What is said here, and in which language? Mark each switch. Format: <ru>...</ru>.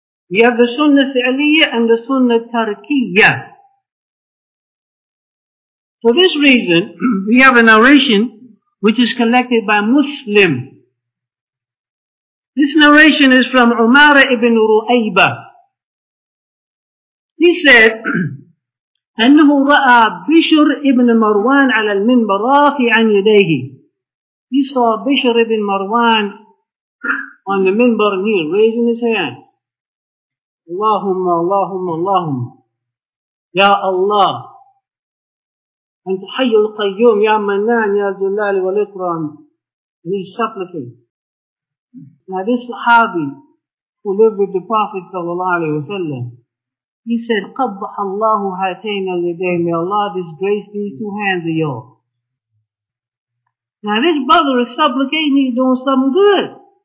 <en>We have the sunnah fi'liyyah and the sunnah tarkiyyah. For this reason, we have a narration which is collected by Muslim. This narration is from Umar ibn Ru'ayba. He said,</en> <ar>أنه رأى بشر ابن مروان على المنبر رافعا يديه.</ar> <en>He saw Bishr ibn Marwan on the minbar kneel, raising his hands.</en> <ar>Allahumma, Allahumma, Allahumma. Ya Allah. أنت حي القيوم يا منان يا جلال والإكرام.</ar> <en>And he's supplicating. Now this Sahabi who lived with the Prophet sallallahu alaihi wasallam, he said,</en> <ar>قبح الله هاتين اليدين.</ar> <en>May Allah disgrace these two hands of yours. Now this brother is supplicating, he's doing something good.</en>